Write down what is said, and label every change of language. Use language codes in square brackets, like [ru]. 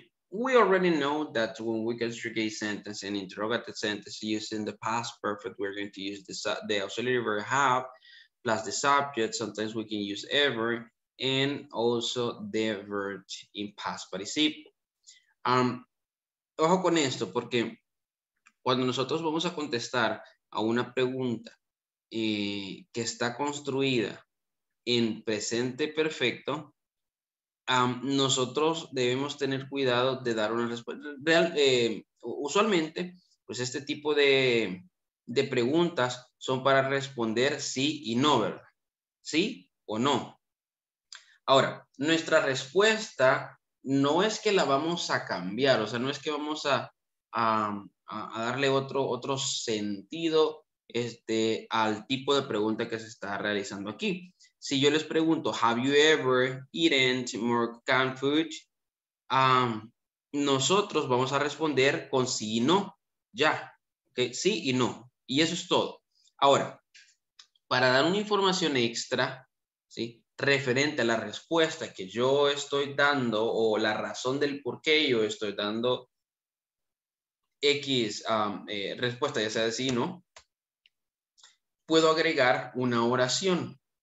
[en] We already know that when we construct a sentence, an interrogative sentence using the past perfect, we're going to use the auxiliary verb have plus the subject. Sometimes we can use ever and also the verb in past participle. [es] Ojo con esto, porque cuando nosotros vamos a contestar a una pregunta que está construida en presente perfecto, nosotros debemos tener cuidado de dar una respuesta. Usualmente, pues este tipo de preguntas son para responder sí y no, ¿verdad? Sí o no. Ahora, nuestra respuesta no es que la vamos a cambiar, o sea, no es que vamos a darle otro sentido al tipo de pregunta que se está realizando aquí. Si yo les pregunto, [en] have you ever eaten Moroccan food? [es] Nosotros vamos a responder con sí y no, ya. Okay, sí y no. Y eso es todo. Ahora, para dar una información extra, ¿sí?, referente a la respuesta que yo estoy dando o la razón del por qué yo estoy dando X respuesta, ya sea de sí o no, puedo agregar una oración.